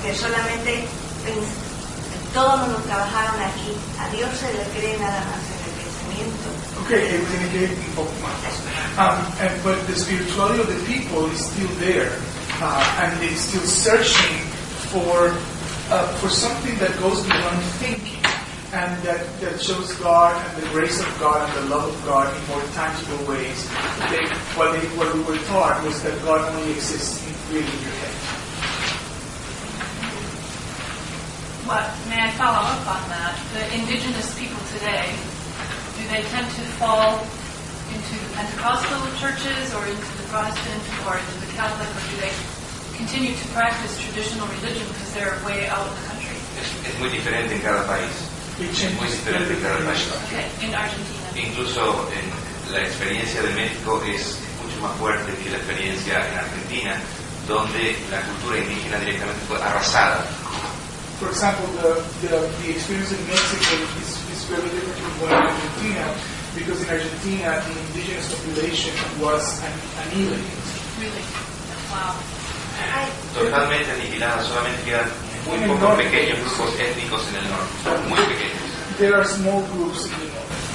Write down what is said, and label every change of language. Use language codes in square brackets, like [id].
[es] Que solamente todos los que trabajaron aquí, a Dios se le cree nada más en el pensamiento. [en] Okay, everything again, [es] un poco más. [en] But the spirituality of the people is still there, and they're still searching for something that goes beyond thinking. And that shows God and the grace of God and the love of God in more tangible ways. What we were taught was that God only exists in really your head. What, may I follow up on that? The indigenous people today, do they tend to fall into the Pentecostal churches or into the Protestant or into the Catholic, or do they continue to practice traditional religion because they're way out of the country? [es] It's muy diferente en cada país. Muy diferente cada país. [en] Okay. [es] Incluso en la experiencia de México es mucho más fuerte que la experiencia en Argentina, donde la cultura indígena directamente fue arrasada. [en] For example, the experience in Mexico is very different from what in Argentina, because in Argentina the indigenous population was annihilated. Really? Wow. [es] Totalmente aniquilada, solamente quedan muy pocos pequeños grupos étnicos en el norte, muy pequeños. [en] There are small groups in the north.